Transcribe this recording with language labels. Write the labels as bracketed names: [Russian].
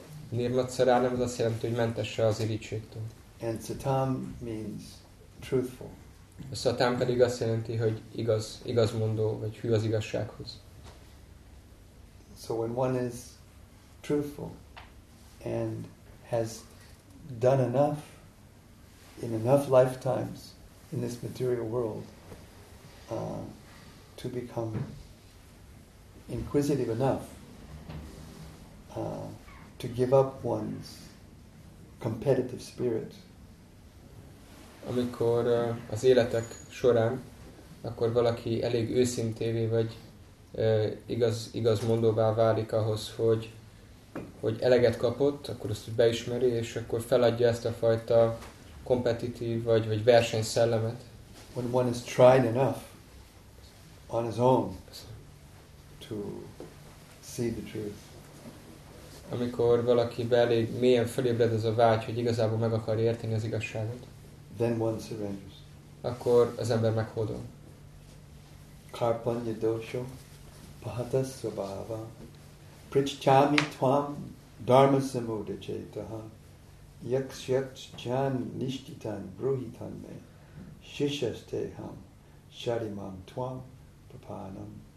[Hungarian] Nirmatsaranam az azt jelenti, hogy mentesse az irigységtől. [English] And satam means truthful. [Hungarian] A szatán pedig azt jelenti, hogy igazmondó, vagy hű az igazsághoz. [English] So when one is truthful and has done enough in enough lifetimes in this material world to become inquisitive enough to give up one's competitive spirit. [Hungarian] Amikor az életek során, akkor valaki elég őszintévé vagy igaz mondóvá válik ahhoz, hogy eleget kapott, akkor azt beismeri, és akkor feladja ezt a fajta kompetitív vagy versenyszellemet. [English] When one has tried enough on his own to see the truth. [Hungarian] Amikor valaki belég mélyen felébred ez a vágy, hogy igazából meg akar érteni az igazságot. [English] Then one surrenders. [Hungarian] Akkor az ember meghódol. [Sanskrit] Karpanya dosho pahata svabhava prichchami tvam dharma samudacetaha yakshyat chan nishtitan bruhitan me shishasteham sharimam tvam papanam.